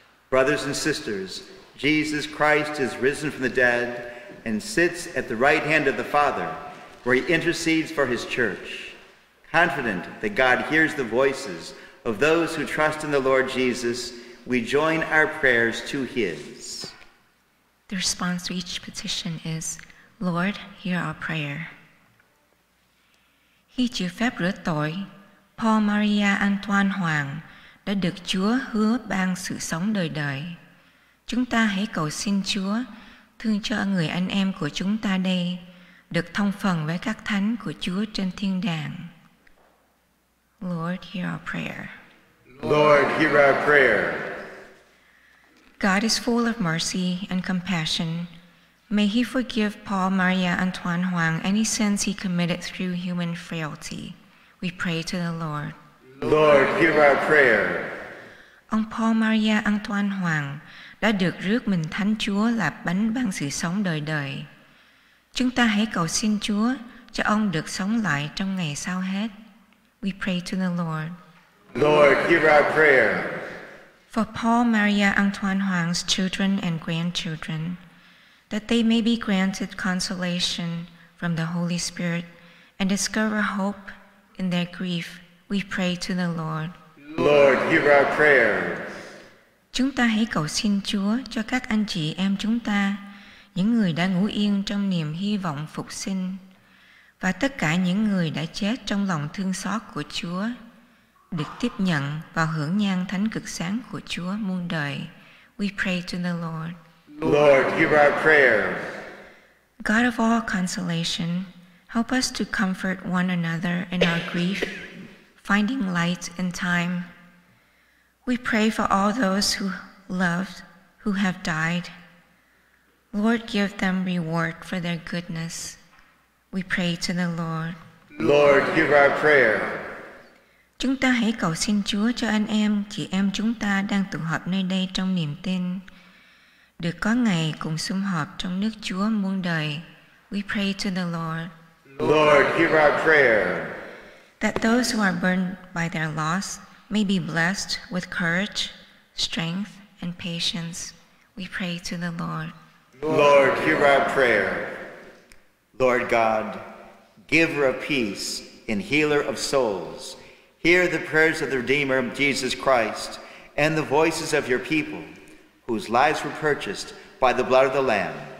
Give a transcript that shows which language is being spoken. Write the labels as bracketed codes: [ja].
[en] Brothers and sisters, Jesus Christ is risen from the dead and sits at the right hand of the Father, where he intercedes for his church. Confident that God hears the voices of those who trust in the Lord Jesus, we join our prayers to his. The response to each petition is, Lord, hear our prayer. [vi] Khi chưa phép rửa tội, Paul Maria Antoine Hoàng đã được Chúa hứa ban sự sống đời đời. Chúng ta hãy cầu xin Chúa thương cho người anh em của chúng ta đây được thông phần với các thánh của Chúa trên thiên đàng. [en] Lord, hear our prayer. Lord, hear our prayer. God is full of mercy and compassion. May he forgive Paul Maria Antoine Hoang any sins he committed through human frailty. We pray to the Lord. Lord, hear our prayer. [vi] Ông Paul Maria Antoine Hoang đã được rước mình thánh Chúa là bánh ban sự sống đời đời. Chúng ta hãy cầu xin Chúa cho ông được sống lại trong ngày sau hết. [en] We pray to the Lord. Lord, hear our prayer. For Paul Maria Antoine Hoang's children and grandchildren, that they may be granted consolation from the Holy Spirit and discover hope in their grief, we pray to the Lord. Lord, hear our prayer. [vi] Chúng ta hãy cầu xin Chúa cho các anh chị em chúng ta, những người đã ngủ yên trong niềm hy vọng phục sinh, và tất cả những người đã chết trong lòng thương xót của Chúa, được tiếp nhận và hưởng nhan thánh cực sáng của Chúa muôn đời. [en] We pray to the Lord. Lord, hear our prayer. God of all consolation, help us to comfort one another in our grief, finding light in time. We pray for all those who loved, who have died. Lord, give them reward for their goodness. We pray to the Lord. Lord, hear our prayer. [vi] Chúng ta hãy cầu xin Chúa cho anh em, chị em chúng ta đang tụ họp nơi đây trong niềm tin, được có ngày cùng sum họp trong nước Chúa muôn đời. [en] We pray to the Lord. Lord, hear our prayer. That those who are burdened by their loss may be blessed with courage, strength, and patience, we pray to the Lord. Lord, hear our prayer. Lord God, giver of peace and healer of souls, hear the prayers of the Redeemer, Jesus Christ, and the voices of your people, whose lives were purchased by the blood of the Lamb.